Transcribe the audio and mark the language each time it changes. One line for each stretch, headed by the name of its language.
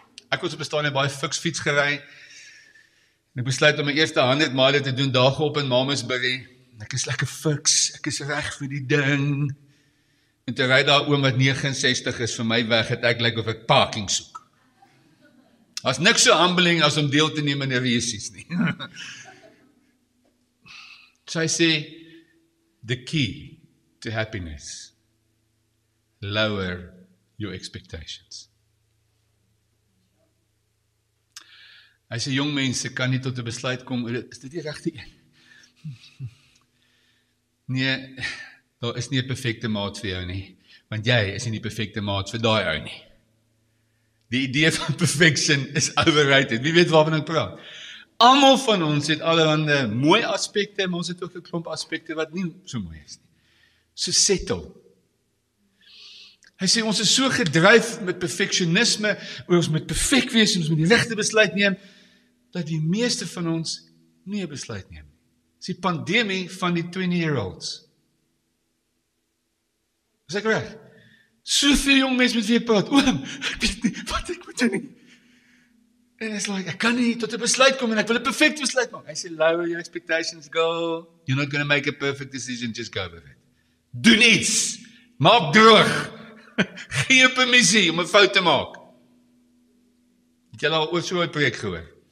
Afrikaans: Ek was op 'n stadium baie fiks fiets gery. En ek besluit om my eerste 100 mile te doen daag op in Mamasbury. Ek is lekker fiks. Ek is reg vir die ding. En terwyl daar oom wat 69 is vir my weg het, ek lyk of ek parking soek. Daar's niks so humbling as om deel te neem aan 'n resies nie.
English: So I say, the key to happiness, lower your expectations.
Afrikaans: As 'n jong mens kan nie tot 'n besluit kom, is dit die regte een? Nee, daar is nie 'n perfekte maat vir jou nie, want jy is nie die perfekte maat vir daai ou nie. Die idee van perfection is overrated. Wie weet waarvan ek praat? Almal van ons het allerhande mooi aspekte, maar ons het ook 'n klomp aspekte wat nie so mooi is nie. So settle. Hy sê, ons is so gedryf met perfectionisme, oor ons moet perfect wees, ons moet die regte besluit neem, dat die meeste van ons nie 'n besluit neem. Dis die pandemie van die 20-year-olds. Is ek reg? Soveel jong mense met wie ek praat, oom, ek weet nie, wat ek moet doen nie. En
English: it's like,
Afrikaans: ek kan nie tot 'n besluit kom en ek wil 'n perfect besluit maak. Hy sê,
English: lower your expectations, girl. You're not going to make a perfect decision, just go with it.
Afrikaans: Doen iets. Maak droog. Gee permissie om 'n fout te maak. Het jy al oor so 'n preek gehoor?